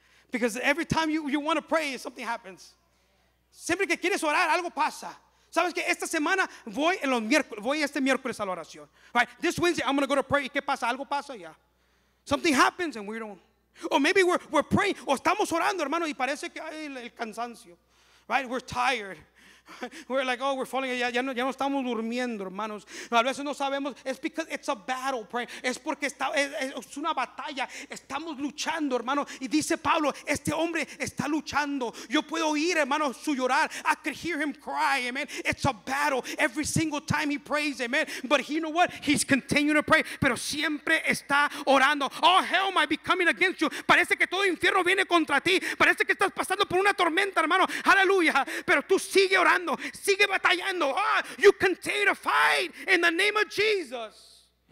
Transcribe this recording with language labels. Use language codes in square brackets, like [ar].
[en] Because every time you want to pray, something happens. [es] Siempre que quieres orar, algo pasa. ¿Sabes qué? Esta semana voy en los miércoles, voy este miércoles a la oración. [en] Right? This Wednesday, I'm going to go to pray. [es] ¿Y qué pasa? Algo pasa ya. [en] Something happens and we don't. Or maybe we're praying. [es] O estamos orando, hermano, y parece que hay el cansancio. [en] Right? We're tired. We're like, oh, we're falling. [es] Ya no estamos durmiendo, hermanos. A veces no sabemos. [en] It's because it's a battle, praying. [es] Es porque es una batalla. Estamos luchando, hermano. Y dice Pablo, este hombre está luchando. Yo puedo oír, hermano, su llorar. [en] I could hear him cry, amen. It's a battle. Every single time he prays, amen. But he, you know what? He's continuing to pray. [es] Pero siempre está orando. [en] Oh, hell might be coming against you. [es] Parece que todo infierno viene contra ti. Parece que estás pasando por una tormenta, hermano. Aleluya. Pero tú sigue orando. batallando, sigue batallando. [en] Oh, you continue to fight in the name of Jesus.